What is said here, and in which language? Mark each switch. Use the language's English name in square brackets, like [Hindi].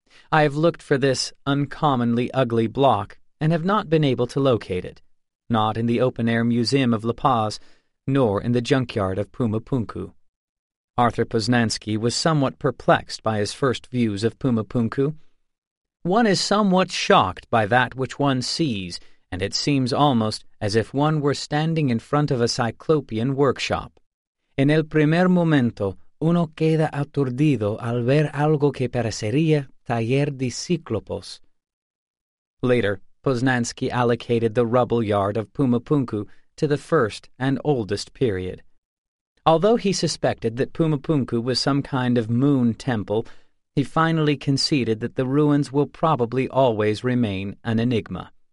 [English] I have looked for this uncommonly ugly block and have not been able to locate it, not in the open-air museum of La Paz, nor in the junkyard of Pumapunku. Arthur Poznanski was somewhat perplexed by his first views of Pumapunku. One is somewhat shocked by that which one sees, and it seems almost as if one were standing in front of a cyclopean workshop. [Spanish] En el primer momento, uno queda aturdido al ver algo que parecería taller de cíclopos. [English] Later, Poznanski allocated the rubble yard of Pumapunku to the first and oldest period. Although he suspected that Pumapunku was some kind of moon temple, he finally conceded that the ruins will probably always remain an enigma.